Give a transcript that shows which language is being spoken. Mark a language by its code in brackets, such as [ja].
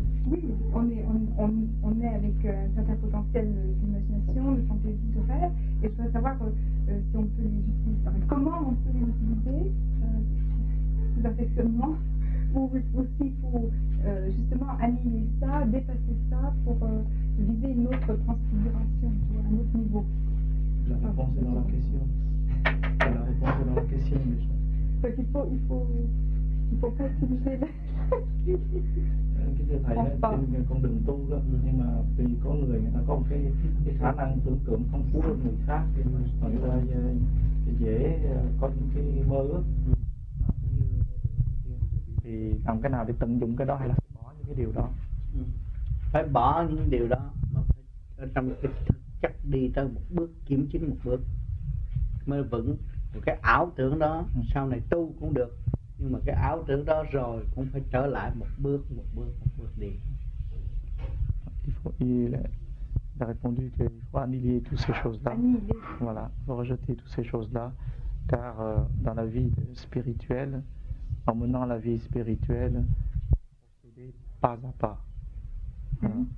[fr] Oui, on est avec un certain potentiel d'imagination, de fantaisie, de rêve, et je voudrais savoir si on peut les utiliser, comment on peut les utiliser perfectionnement, ou aussi pour justement annihiler ça, dépasser ça, pour viser une autre transfiguration, un autre niveau. La réponse est dans la question. La réponse est dans la question, déjà. Donc il faut pas utiliser la... [vi] Cái thứ thầy nói trên con đường tu đó, nhưng mà vì có người người ta có một cái khả năng tưởng tượng phong phú hơn người khác thì người ta dễ có những cái mơ ước, thì làm cái nào để tận dụng cái đó hay là bỏ những cái điều đó? Phải bỏ những điều đó mà phải ở trong cái thực chất đi tới một bước, kiểm chứng một bước mới vững. Một cái ảo tưởng đó sau này tu cũng được, nhưng mà cái ảo tưởng đó rồi cũng phải trở lại một bước đi. [fr] Il faut, il a répondu qu'il faut annihiler toutes ces choses-là. Voilà, rejeter toutes ces choses-là, car dans la vie spirituelle, en menant la vie spirituelle, procéder pas à pas.